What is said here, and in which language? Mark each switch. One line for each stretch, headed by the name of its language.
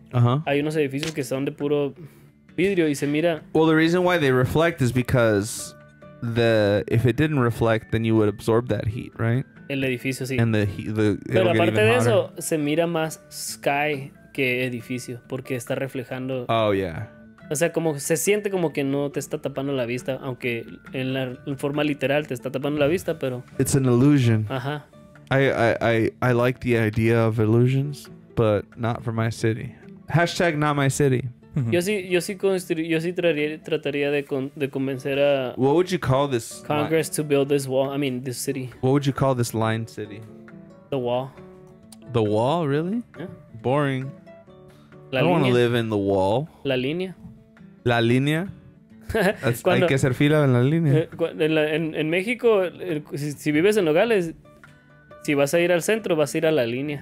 Spanish: Uh-huh. Hay unos edificios que son de puro vidrio y se mira...
English: Well, the reason why they reflect is because if it didn't reflect, then you would absorb that heat, right?
Spanish: El edificio, sí.
English: And
Spanish: pero aparte de eso, se mira más sky... Que edificio, porque está reflejando.
English: Oh, yeah.
Spanish: O sea, como se siente como que no te está tapando la vista, aunque en forma literal te está tapando la vista, pero.
English: It's an illusion. Ajá. I like the idea of illusions, but not for my city. Hashtag not my city.
Spanish: yo sí trataría de convencer a.
English: What would you call this? Congress to build this wall. I mean, this city. What would you call this line city? The wall. The wall, really? Yeah. Boring. La I don't want to live in the wall.
Spanish: La línea. La línea. Hay que hacer fila en la línea. En México, si vives en Nogales, si vas a ir al centro, vas a ir a la línea.